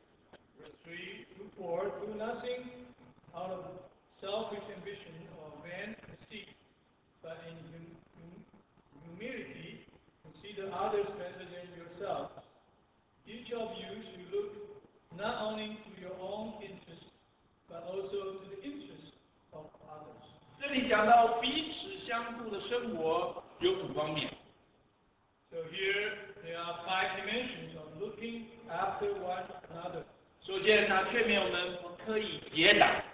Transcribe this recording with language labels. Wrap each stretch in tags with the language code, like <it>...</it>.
<zh>我们再来读第二章三到四节。我们一起来念：凡事不可跌倒，不可贪图虚空的荣耀，只要存心谦卑，个人看别人比，个人不要贪图自己，也要顾别人。3:4</zh> <en>Do nothing out of selfish ambition or vain conceit, but in humility consider others better than yourself. Each of you should look not only to your own interests, but also to the interests of others.</en> <zh>这里讲到彼此相互的生活有5方面。</zh> <en>So here there are 5 dimensions of looking after one another.</en> <zh>首先，他劝勉我们不可以跌倒。</zh>